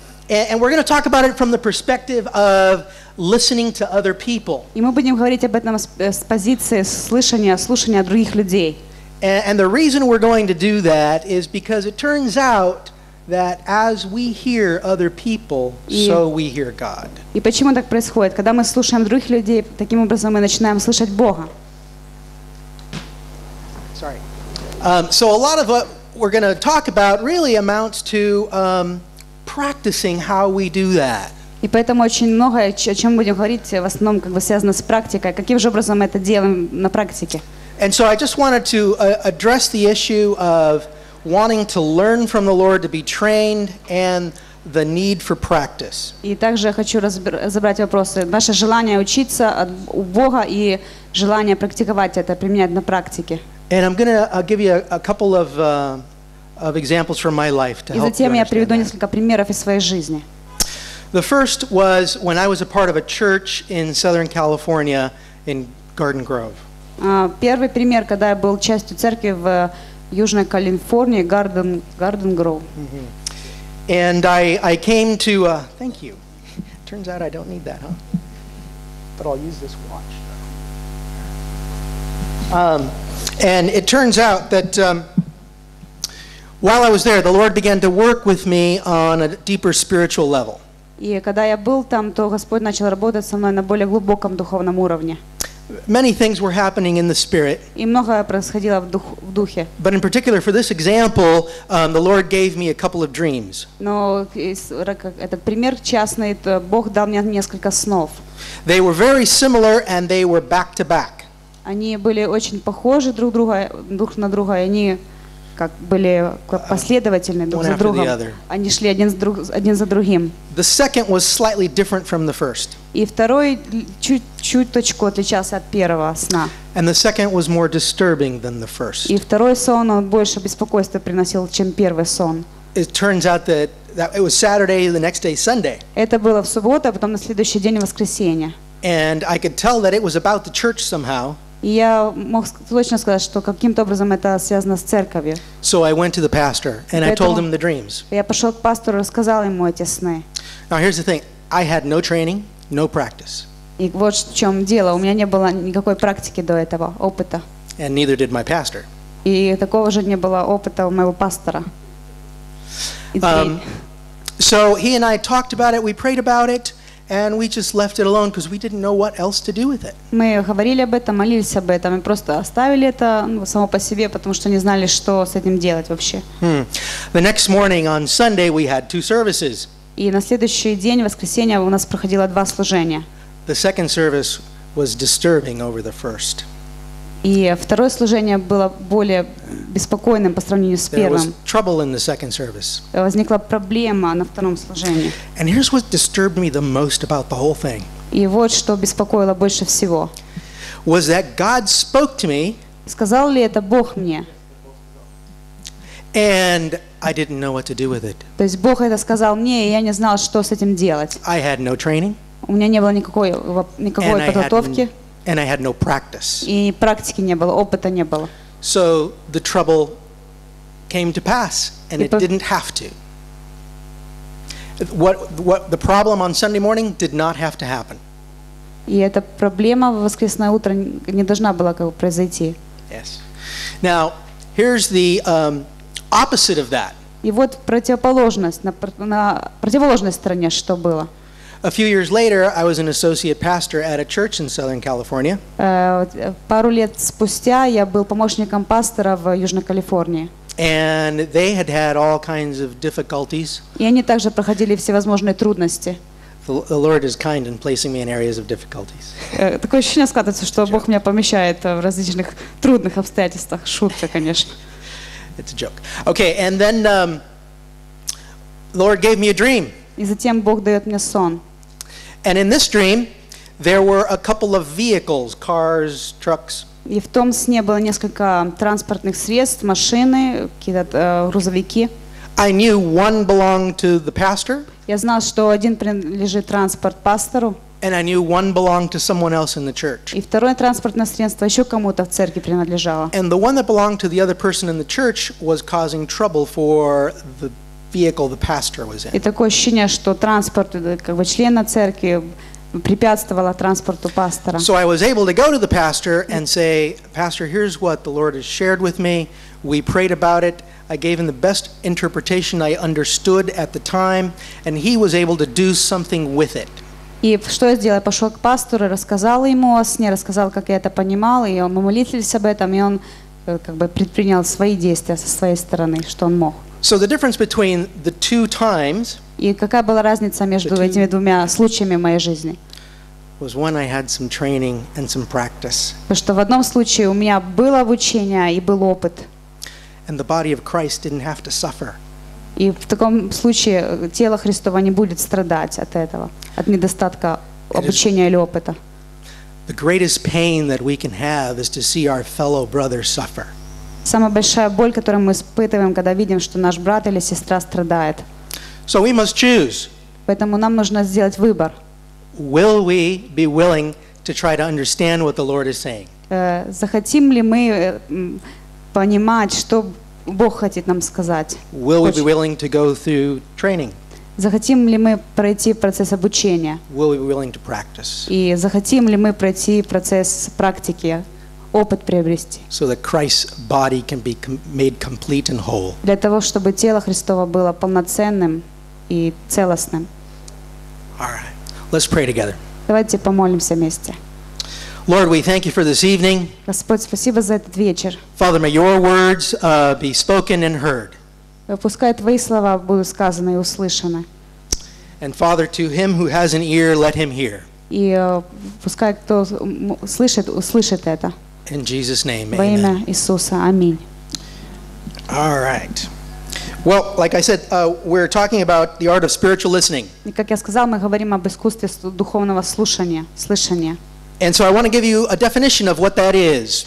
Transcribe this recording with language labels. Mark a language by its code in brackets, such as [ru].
[en] And we're going to talk about it from the perspective of listening to other people. [ru] И мы будем говорить об этом с позиции слушания других людей. [en] And the reason we're going to do that is because it turns out that as we hear other people, so we hear God. [ru] И почему так происходит? Когда мы слушаем других людей, таким образом мы начинаем слышать Бога. [en] Sorry. So a lot of what we're going to talk about really amounts to practicing how we do that. [ru] И поэтому очень многое, о чем будем говорить, в основном как бы связано с практикой. Каким же образом мы это делаем на практике? [en] And so I just wanted to address the issue of wanting to learn from the Lord, to be trained, and the need for practice. [ru] И также я хочу разобрать вопросы. Наше желание учиться от Бога и желание практиковать это, применять на практике. [en] And I'm going to give you a couple of examples from my life to help. [ru] И затем я приведу несколько примеров из своей жизни. [en] The first was when I was a part of a church in Southern California in Garden Grove. [ru] Первый пример, когда я был частью церкви в Южной Калифорнии, Garden Grove. [en] And I came to thank you. Turns out I don't need that, huh? But I'll use this watch. And it turns out that while I was there, the Lord began to work with me on a deeper spiritual level. [ru] И когда я был там, то Господь начал работать со мной на более глубоком духовном уровне. [en] Many things were happening in the spirit. [ru] И многое происходило в духе. [en] But in particular, for this example, the Lord gave me a couple of dreams. [ru] Но этот пример частный, то Бог дал мне несколько снов. [en] They were very similar, and they were back to back. [ru] Они были очень похожи друг на друга, и они как были последовательны друг за другом. Они шли один за другим. [en] The second was slightly different from the first. [ru] И второй чуточку отличался от первого сна. [en] And the second was more disturbing than the first. [ru] И второй сон он больше беспокойства приносил, чем первый сон. [en] It turns out that it was Saturday, the next day Sunday. [ru] Это было в субботу, а потом на следующий день воскресенье. [en] And I could tell that it was about the church somehow. [ru] И я мог точно сказать, что каким-то образом это связано с церковью. [en] So I went to the pastor and I told him the dreams. [ru] Я пошел к пастору и рассказал ему эти сны. [en] Now here's the thing: I had no training, no practice. [ru] И вот в чем дело: у меня не было никакой практики до этого опыта. [en] And neither did my pastor. [ru] И такого же не было опыта у моего пастора. [en] So he and I talked about it. We prayed about it. And we just left it alone because we didn't know what else to do with it. [ru] Мы говорили об этом, молились об этом, и просто оставили это само по себе, потому что не знали, что с этим делать вообще. [en] The next morning on Sunday we had two services. [ru] И на следующий день, воскресенье, у нас проходило два служения. [en] The second service was disturbing over the first. [ru] И второе служение было более беспокойным по сравнению с первым. [en] There was trouble in the second service. [ru] Возникла проблема на втором служении. [en] And here's what disturbed me the most about the whole thing. [ru] И вот что беспокоило больше всего. [en] Was that God spoke to me? [ru] Сказал ли это Бог мне? [en] And I didn't know what to do with it. [ru] То есть Бог это сказал мне, и я не знал, что с этим делать. [en] I had no training. [ru] У меня не было никакой подготовки. [en] And I had no practice. [ru] И практики не было, опыта не было. [en] So the trouble came to pass, and it didn't have to. What the problem on Sunday morning did not have to happen. [ru] И эта проблема в воскресное утро не должна была как бы произойти. [en] Yes. Now here's the opposite of that. [ru] И вот противоположность, на противоположной стороне что было? [en] A few years later, I was an associate pastor at a church in Southern California. [ru] Пару лет спустя я был помощником пастора в Южной Калифорнии. [en] And they had had all kinds of difficulties. [ru] И они также проходили всевозможные трудности. [en] The Lord is kind in placing me in areas of difficulties. [ru] Такое ощущение складывается, что Бог меня помещает в различных трудных обстоятельствах. Шутка, конечно. [en] It's a joke. Okay, and then Lord gave me a dream. [ru] И затем Бог дает мне сон. [en] And in this dream, there were a couple of vehicles, cars, trucks. [ru] И в том сне было несколько транспортных средств, машины, какие-то грузовики. [en] I knew one belonged to the pastor. [ru] Я знал, что один принадлежит транспорт пастору. [en] And I knew one belonged to someone else in the church. [ru] И второе транспортное средство еще кому-то в церкви принадлежало. [en] And the one that belonged to the other person in the church was causing trouble for the vehicle the pastor was in. [ru] И такое ощущение, что транспорт как бы члена церкви препятствовало транспорту пастора. [en] So I was able to go to the pastor and say, "Pastor, here's what the Lord has shared with me. We prayed about it. I gave him the best interpretation I understood at the time, and he was able to do something with it." [ru] И что я сделал? Я пошел к пастору, рассказал ему о сне, рассказал, как я это понимал, и он молился об этом, и он как бы предпринял свои действия со своей стороны, что он мог. [en] So the difference between the two times. [ru] И какая была разница между этими двумя случаями в моей жизни? [en] Was when I had some training and some practice. [ru] Потому что в одном случае у меня было обучение и был опыт. [en] And the body of Christ didn't have to suffer. [ru] И в таком случае тело Христово не будет страдать от этого, от недостатка обучения или опыта. [en] The greatest pain that we can have is to see our fellow brother suffer. [ru] Самая большая боль, которую мы испытываем, когда видим, что наш брат или сестра страдает. [en] So we must choose. [ru] Поэтому нам нужно сделать выбор. [en] Will we be willing to try to understand what the Lord is saying? [ru] Захотим ли мы понимать, что Бог хочет нам сказать? [en] Will we be willing to go through training? [ru] Захотим ли мы пройти процесс обучения? [en] Will we be willing to practice? [ru] И захотим ли мы пройти процесс практики? Опыт приобрести. [en] So that Christ's body can be made complete and whole. [ru] Для того, чтобы тело Христово было полноценным и целостным. [en] All right. Let's pray together. [ru] Давайте помолимся вместе. [en] Lord, we thank you for this evening. [ru] Господь, спасибо за этот вечер. [en] Father, may your words be spoken and heard. [ru] Пускай твои слова будут сказаны и услышаны. [en] And Father, to him who has an ear, let him hear. [ru] И пускай кто слышит, услышит это. [en] In Jesus' name, [ru] amen. Во имя Иисуса, аминь. [en] All right. Well, like I said, we're talking about the art of spiritual listening. [ru] И как я сказал, мы говорим об искусстве духовного слушания, слышания. [en] And so I want to give you a definition of what that is.